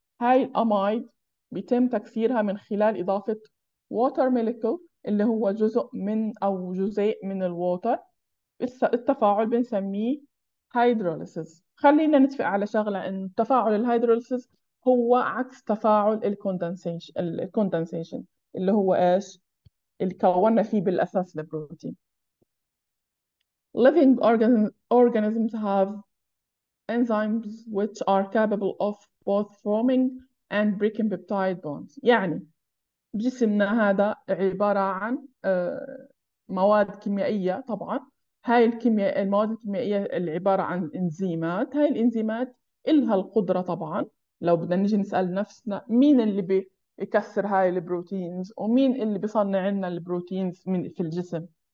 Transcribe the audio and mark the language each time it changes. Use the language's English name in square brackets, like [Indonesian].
[Arabic] هاي الأمايد بيتم تكسيرها من خلال إضافة ووتر مولكيول اللي هو جزء من أو جزيء من الووتر. التفاعل بنسميه هيدروليسز. خلينا نتفق على شغلة إن تفاعل الهيدروليسز هو عكس تفاعل الكوندنسيشن اللي هو ايش اللي كوننا فيه بالاساس البروتين. [English] Living organisms have enzymes which are capable of both forming and breaking peptide bonds. [Arabic] يعني جسمنا هذا عبارة عن مواد كيميائية. طبعا هاي الكيمياء المواد الكيميائية اللي عبارة عن انزيمات. هاي الانزيمات إلها القدرة طبعا لو بدنا نيجي نسأل نفسنا مين اللي بيكسر هاي البروتينز ومين اللي بيصنع لنا البروتينز من في الجسم.